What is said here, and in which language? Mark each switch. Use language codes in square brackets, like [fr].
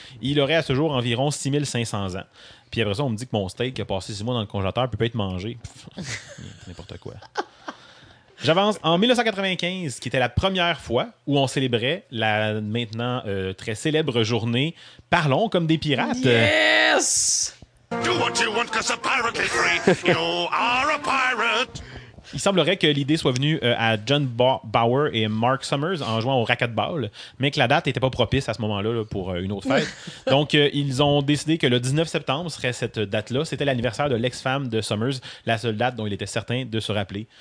[fr] Il aurait à ce jour environ 6500 ans. Puis après ça, on me dit que mon steak qui a passé 6 mois dans le congélateur ne peut pas être mangé. Pff, n'importe quoi. J'avance en 1995, qui était la première fois où on célébrait la maintenant très célèbre journée « Parlons comme des pirates ». [en] Yes! Do what you want, 'cause a pirate is free. You are a pirate. [fr] Il semblerait que l'idée soit venue à John Bauer et Mark Summers en jouant au racquetball, mais que la date n'était pas propice à ce moment-là pour une autre fête. Donc, ils ont décidé que le 19 septembre serait cette date-là. C'était l'anniversaire de l'ex-femme de Summers, la seule date dont il était certain de se rappeler.